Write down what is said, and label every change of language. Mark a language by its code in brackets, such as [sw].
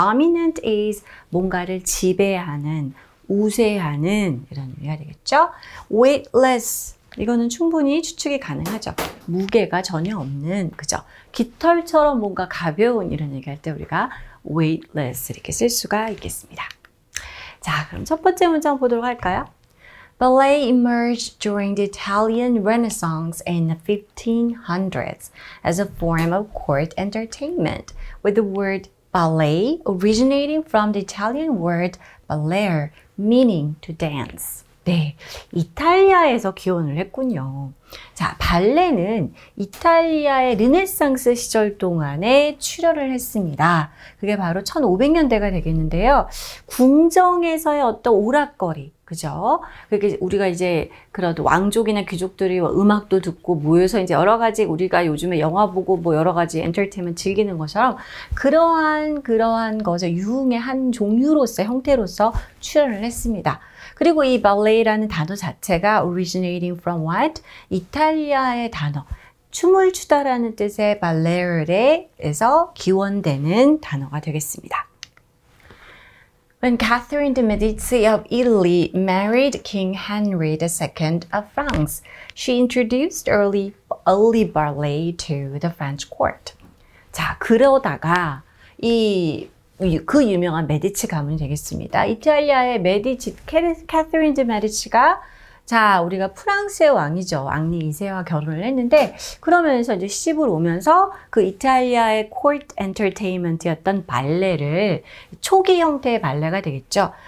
[en] dominant is [ko] 뭔가를 지배하는, 우세하는 이런 의미가 되겠죠. [en] weightless. [ko] 이거는 충분히 추측이 가능하죠. 무게가 전혀 없는, 그죠? 깃털처럼 뭔가 가벼운 이런 얘기할 때 우리가 weightless 이렇게 쓸 수가 있겠습니다. 자, 그럼 첫 번째 문장 보도록 할까요? [en] Ballet emerged during the Italian Renaissance in the 1500s as a form of court entertainment with the word ballet originating from the Italian word ballare meaning to dance. [ko] 네, 이탈리아에서 기원을 했군요. 자, 발레는 이탈리아의 르네상스 시절 동안에 출현을 했습니다. 그게 바로 1500년대가 되겠는데요. 궁정에서의 어떤 오락거리, 그죠? 그렇게 우리가 이제 그래도 왕족이나 귀족들이 음악도 듣고 모여서 이제 여러 가지 우리가 요즘에 영화 보고 뭐 여러 가지 엔터테인먼트 즐기는 것처럼 그러한 것의 유흥의 한 종류로서 형태로서 출현을 했습니다. 그리고 이 ballet라는 단어 자체가 [en] originating from what? [ko] 이탈리아의 단어, 춤을 추다라는 뜻의 ballet에서 기원되는 단어가 되겠습니다. [en] When Catherine de' Medici of Italy married King Henry II of France, she introduced early ballet to the French court. [ko] 자, 그러다가 그 유명한 메디치 가문이 되겠습니다. 이탈리아의 메디치, 캐서린 드 메디치가 자, 우리가 프랑스의 왕이죠. 왕리 2세와 결혼을 했는데 그러면서 이제 시집을 오면서 그 이탈리아의 코트 엔터테인먼트였던 발레를 초기 형태의 발레가 되겠죠.